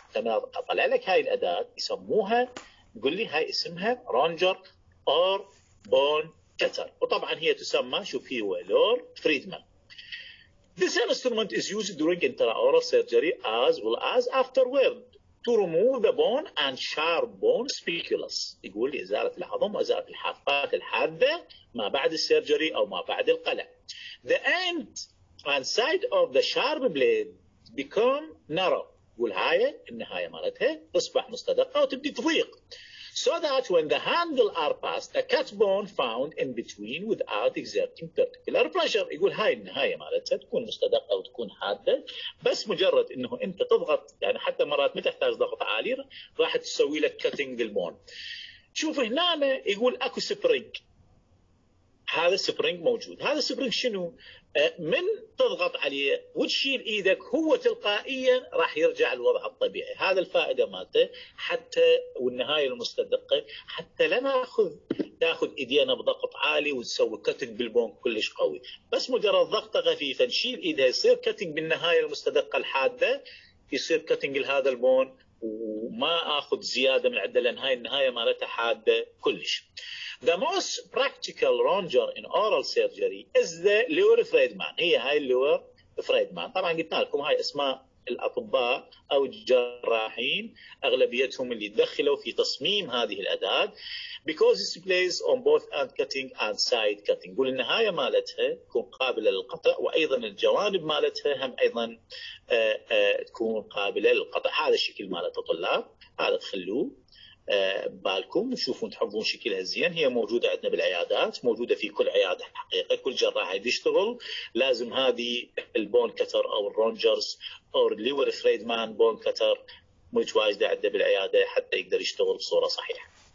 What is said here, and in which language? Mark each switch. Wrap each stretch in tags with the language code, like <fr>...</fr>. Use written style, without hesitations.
<ar>أنا أطلع لك هاي الأداة يسموها، يقول لي هاي اسمها رونجر أور بون كتر، وطبعا هي تسمى شوف هي لور فريدمان.</ar> <en>This instrument is used during intraoral surgery as well as afterward to remove the bone and sharp bone speculus.</en> <ar>يقول لي إزالة العظم وإزالة الحافات الحادة ما بعد السيرجري أو ما بعد القلع.</ar> <en>The end and side of the sharp blade become narrow.</en> <ar>والهاية النهاية مالتها تصبح مستدقة وتبدي تضيق.</ar> <en>So that when the handle are passed, a cut bone found in between without exerting particular pressure.</en> <ar>يقول هاي النهاية مالتها تكون مستدقة وتكون حادة، بس مجرد انه انت تضغط، يعني حتى مرات ما تحتاج ضغط عالي راح تسوي لك</ar> <en>cutting the bone.</en> <ar>شوف هنا يقول اكو سبرينج. هذا سبرينج موجود. هذا سبرينج شنو؟ من تضغط عليه وتشيل ايدك هو تلقائيا راح يرجع الوضع الطبيعي. هذا الفائدة مالته حتى والنهاية المستدقة، حتى لا تاخذ ايدينا بضغط عالي وتسوي كتنج بالبون كلش قوي، بس مجرد ضغطة خفيفة نشيل ايدها يصير كتنج بالنهاية المستدقة الحادة، يصير كتنج لهذا البون وما اخذ زيادة من عدة لان هاي النهاية مالتها حادة كلش.</ar> <en>The most practical ronger in oral surgery is the lower Friedman.</en> <ar>هي هاي lower Friedman. طبعا قلت لكم هاي اسماء الاطباء او الجراحين اغلبيتهم اللي دخلوا في تصميم هذه الاداة.</ar> <en>Because it's placed on both end cutting and side cutting.</en> <ar>قول النهاية مالتها تكون قابلة للقطع وايضا الجوانب مالتها هم ايضا تكون قابلة للقطع. هذا الشكل مالتها طلاب، هذا تخلوه بالكم تشوفون تحبون شكلها زين. هي موجودة عندنا بالعيادات، موجودة في كل عيادة حقيقة، كل جراح يشتغل لازم هذه البون كتر أو الرونجرز أو الليور فريدمان بون كتر متواجدة عندنا بالعيادة حتى يقدر يشتغل بصورة صحيحة.</ar>